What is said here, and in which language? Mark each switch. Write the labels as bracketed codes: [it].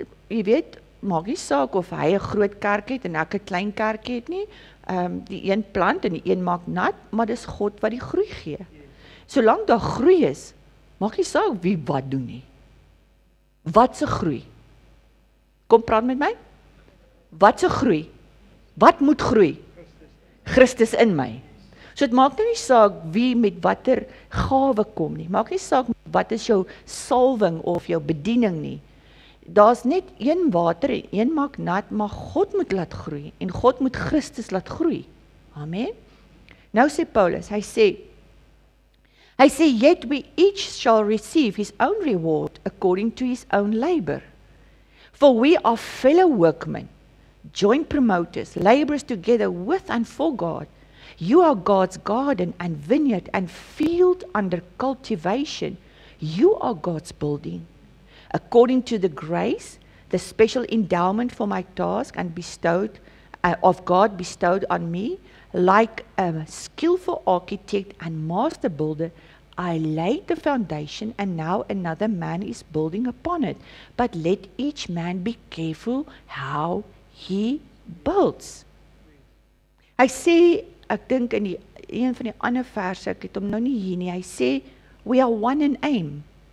[af] Jy weet, maak nie saak of hy 'n groot kerk het en ek 'n klein kerk het nie. Die een plant en die een maak nat, maar dis God wat die groei gee. Solank daar groei is, maak nie saak wie wat doen nie. Wat se groei? Kom praat met my. Wat se groei? Wat moet groei? Christus in my. So dit maak nie saak wie met watter gawe kom nie. Maak nie saak wat is jou salwing of jou bediening nie. Daar's net een water en een maak nat, maar God moet laat groei en God moet Christus laat groei. [en] Amen. [af] Nou sê Paulus, hy sê, [en] yet we each shall receive his own reward according to his own labor. For we are fellow workmen, joint promoters, laborers together with and for God. You are God's garden and vineyard and field under cultivation. You are God's building. According to the grace, the special endowment for my task and bestowed of God bestowed on me, like a skillful architect and master builder, I laid the foundation and now another man is building upon it. But let each man be careful how he builds. I say, [af] ek dink in een van die ander verse, ek het hom nou nie hier nie, [en] I say, we are one in aim.